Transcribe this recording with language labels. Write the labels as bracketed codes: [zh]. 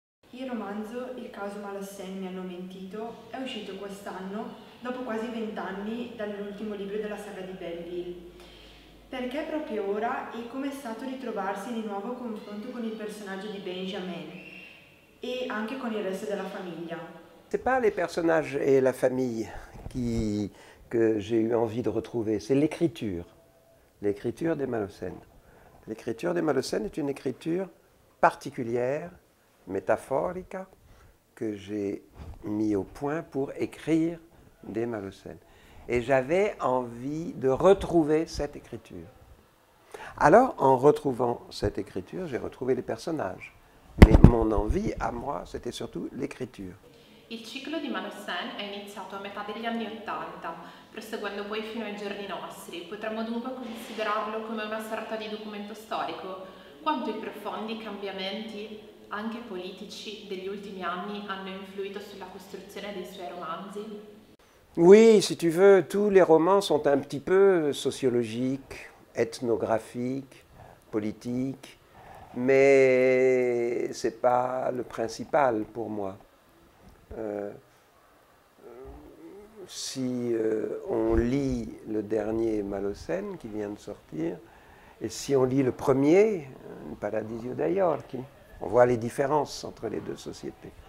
[it] Il romanzo Il caso Malassegna mi hanno mentito è uscito quest'anno dopo quasi 20 anni dall'ultimo libro della saga di Belleville. Perché proprio ora e come è stato ritrovarsi di nuovo a confronto con il personaggio di Benjamin e anche con il resto della famiglia? [fr] C'est pas les personnages et la famille que j'ai eu envie de retrouver, c'est l'écriture. L'écriture des Malocènes. L'écriture des Malocènes est une écriture particulière, métaphorica, que j'ai mis au point pour écrire des Malocènes. Et j'avais envie de retrouver cette écriture. Alors, en retrouvant cette écriture, j'ai retrouvé les personnages. Mais mon envie à moi, c'était surtout l'écriture. [it] Il ciclo di Malassène è iniziato a metà degli anni Ottanta, proseguendo poi fino ai giorni nostri. Potremmo dunque considerarlo come una sorta di documento storico. Quanto i profondi cambiamenti, anche politici, degli ultimi anni hanno influito sulla costruzione dei suoi romanzi? [fr] Oui, si tu veux, tous les romans sont un petit peu sociologiques, ethnographiques, politiques, mais ce n'est pas le principal pour moi. Si on lit le dernier Malocène qui vient de sortir, et si on lit le premier, Paradiso d'Ayorchi, on voit les différences entre les deux sociétés.